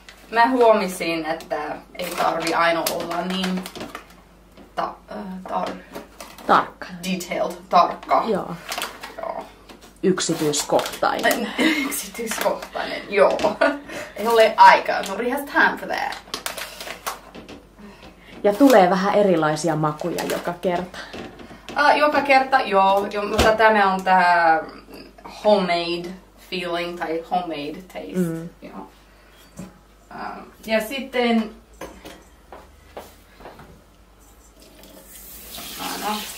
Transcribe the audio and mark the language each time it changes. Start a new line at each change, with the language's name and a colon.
Finnish: Mä huomisin, että ei tarvi aina olla niin tarkka. Detailed, tarkka. Joo. Joo. Yksityiskohtainen. Yksityiskohtainen, joo. Ei ole aikaa,
English: nobody has time for that.
Finnish: Ja tulee vähän erilaisia makuja joka kerta. Joka kerta, joo. Mutta tämä on tämä
English: homemade feeling
Finnish: tai
English: homemade taste.
Finnish: Mm. Joo. Ja sitten aina.